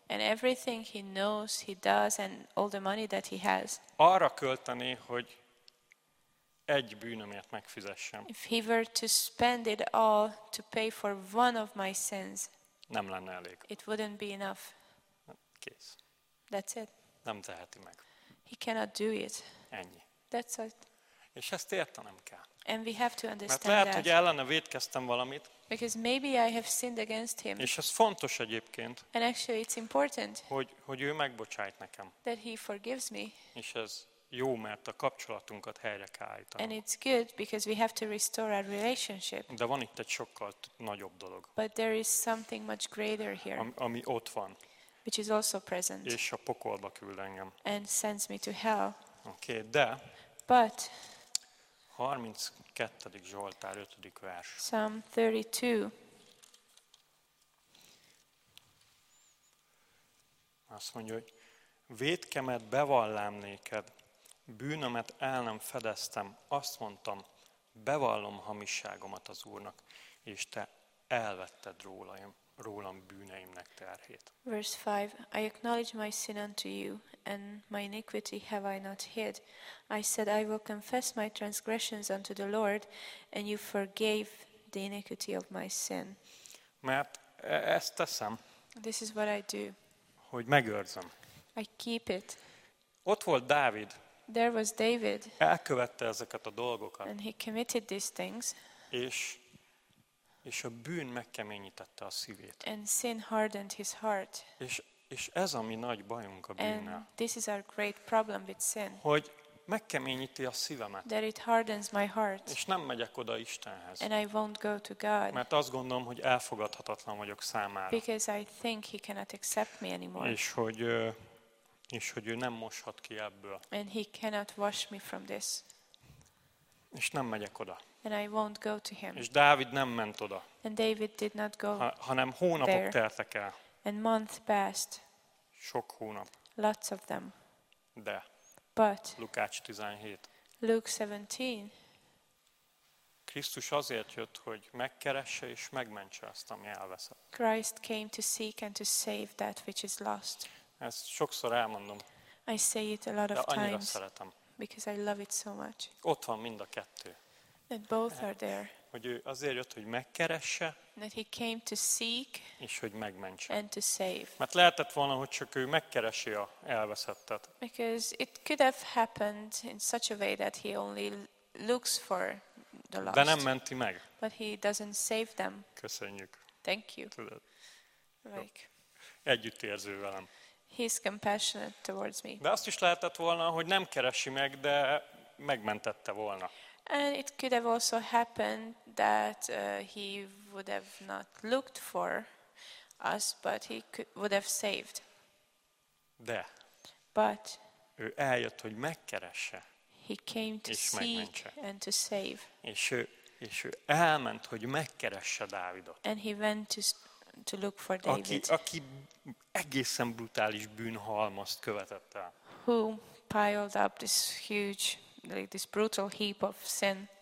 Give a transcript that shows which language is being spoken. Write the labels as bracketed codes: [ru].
[en] And everything he knows, he does, and all the money that he has. [hu] Arra költeni, hogy egy bűnömért megfizessem. [en] If he were to spend it all to pay for one of my sins, [hu] nem lenne elég. [en] It wouldn't be enough. [hu] Kész. [en] That's it. [hu] Nem teheti meg. [en] He cannot do it. [hu] Ennyi. [en] That's it. [hu] És ezt értenem kell. [en] And we have to understand. [hu] Mert lehet, hogy ellene vétkeztem valamit. [en] Because maybe I have sinned against him. [hu] És ez fontos egyébként. [en] And actually it's important. [hu] Hogy ő megbocsájt nekem. [en] That he forgives me. [hu] És ez jó, mert a kapcsolatunkat helyre kell állítani. [en] And it's good because we have to restore our relationship. [hu] De van itt egy sokkal nagyobb dolog. [en] But there is something much greater here. [hu] Ami ott van. [en] Which is also present. [hu] És a pokolba küld engem. [en] And sends me to hell. [hu] Oké, okay, de. [en] But [hu] 32. Zsoltár 5. vers. [en] Psalm 32. [hu] Azt mondja, hogy vétkemet bevallám néked, bűnömet el nem fedeztem, azt mondtam, bevallom hamisságomat az Úrnak, és te elvetted rólam bűneimnek terhét. [en] Verse 5. I acknowledge my sin unto you, and my iniquity have I not hid. I said, I will confess my transgressions unto the Lord, and you forgave the iniquity of my sin. [hu] Mert ezt teszem. [en] This is what I do. [hu] Hogy megőrzem. [en] I keep it. [hu] Ott volt Dávid. [en] There was David. [hu] Elkövette ezeket a dolgokat. [en] And he committed these things. [hu] És a bűn megkeményítette a szívét. [en] And sin hardened his heart. [hu] És ez a mi nagy bajunk a bűnnel. [en] And this is our great problem with sin. [hu] Hogy megkeményíti a szívemet. [en] That it hardens my heart. [hu] És nem megyek oda Istenhez. [en] And I won't go to God. [hu] Mert azt gondolom, hogy elfogadhatatlan vagyok számára. [en] Because I think he cannot accept me anymore. [hu] És hogy ő nem moshat ki ebből. [en] And he cannot wash me from this. [hu] És nem megyek oda. [en] And I won't go to him. [hu] És Dávid nem ment oda. [en] And David did not go [hu] hanem hónapok there. Teltek el. [en] And month passed. [hu] Sok hónap. [en] Lots of them. [hu] De. [en] But. [hu] Lukács 17. [en] Luke 17. [hu] Krisztus azért jött, hogy megkeresse és megmentse azt, ami elveszett. [en] Christ came to seek and to save that which is lost. [hu] Ezt sokszor elmondom. [en] I say it a lot of times. [hu] De annyira szeretem. [en] Because I love it so much. [hu] Ott van mind a kettő. [en] That both are there. [hu] Hogy ő azért jött, hogy megkeresse. [en] That he came to seek. [hu] És hogy megmentse. [en] And to save. [hu] Mert lehetett volna, hogy csak ő megkeresi a elveszettet. [en] Because it could have happened in such a way that he only looks for the lost. [hu] De nem menti meg. [en] But he doesn't save them. [hu] Köszönjük. [en] Thank you. [hu] Tudod. [en] Like. [hu] Együttérző velem. [en] He's compassionate towards me. [hu] De azt is lehetett volna, hogy nem keresi meg, de megmentette volna. [en] And it could have also happened that he would have not looked for us, but he would have saved. [hu] De. [en] But. [hu] Ő eljött, hogy megkeresse. [en] He came to seek and to save. [hu] És ő elment, hogy megkeresse Dávidot. [en] And he went to look for David. [hu] Aki egészen brutális bűnhalmazt követett el. [en] Who piled up this huge, like this brutal heap of sin.